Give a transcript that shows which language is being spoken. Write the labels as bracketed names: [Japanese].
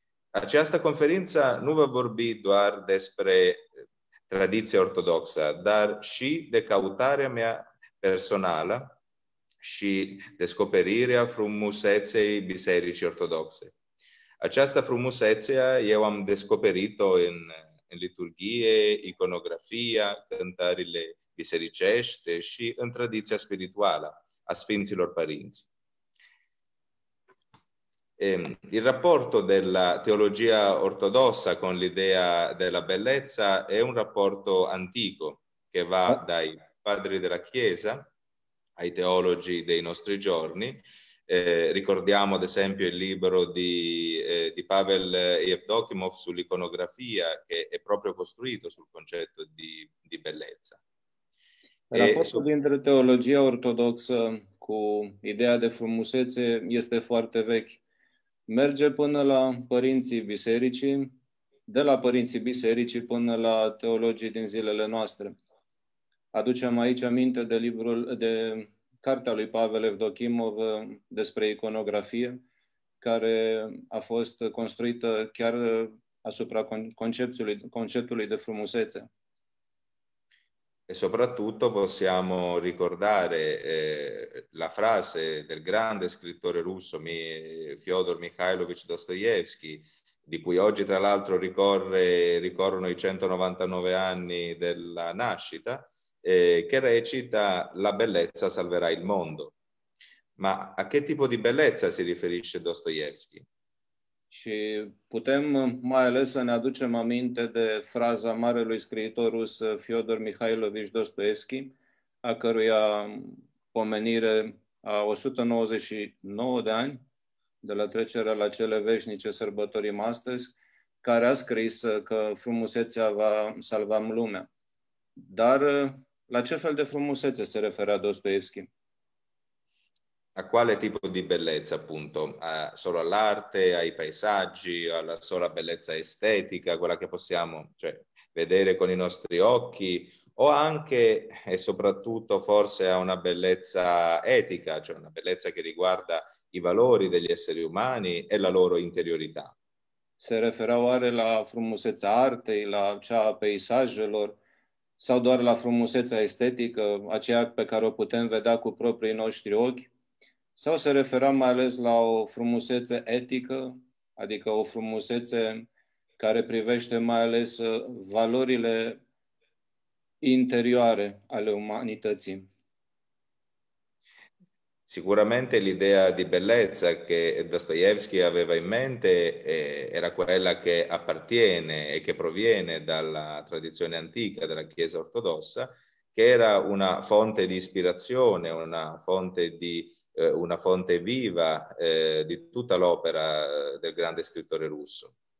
[Romanian] Această conferință nu va vorbi doar despre tradiția ortodoxă, dar și de căutarea mea personală și descoperirea frumuseței bisericii ortodoxe. Această frumusețe eu am descoperit-o în liturghie, iconografia, cântările bisericești și în tradiția spirituală a Sfinților Părinți. [Italian] Il rapporto della teologia ortodossa con l'idea della bellezza è un rapporto antico che va dai padri della Chiesa ai teologi dei nostri giorni. Ricordiamo ad esempio il libro di Pavel Yevdokimov sull'iconografia, che è proprio costruito sul concetto di bellezza. Il rapporto tra teologia ortodossa con l'idea di [Romanian] frumusețe este foarte vechi. Merge până la părinții bisericii, de la părinții bisericii până la teologii din zilele noastre. Aducem aici aminte de librul, de cartea lui Pavel Evdokimov despre iconografie, care a fost construită chiar asupra conceptului de frumusețe. [Italian] E soprattutto possiamo ricordare la frase del grande scrittore russo Fyodor Mikhailovich Dostoevsky, di cui oggi tra l'altro ricorrono i 199 anni della nascita, che recita: la bellezza salverà il mondo. Ma a che tipo di bellezza si riferisce Dostoevsky? [Romanian] Și putem mai ales să ne aducem aminte de fraza marelui scriitor rus Fyodor Mikhailovich Dostoevski, a căruia pomenire a 199 de ani, de la trecerea la cele veșnice sărbătorim astăzi, care a scris că frumusețea va salva lumea. Dar la ce fel de frumusețe se referea Dostoevski? [Italian] A quale tipo di bellezza, appunto? Solo all'arte, ai paesaggi, alla sola bellezza estetica, quella che possiamo, cioè, vedere con i nostri occhi, o anche e soprattutto forse a una bellezza etica, cioè una bellezza che riguarda i valori degli esseri umani e la loro interiorità. [Romanian] Se referoare la frumusețea artei, la cea a peisajelor, sau doar la frumusețea estetică, aceea pe care o putem vedea cu proprii noștri ochi, sau se referam mai ales la o frumusețe etică, adică o frumusețe care privește mai ales valorile interioare ale umanității. [Italian] Sicuramente l'idea di bellezza che Dostoevsky aveva in mente era quella che appartiene e che proviene dalla tradizione antica della Chiesa ortodossa, che era una fonte di ispirazione, una fonte di una fonte viva di tutta l'opera del grande scrittore russo.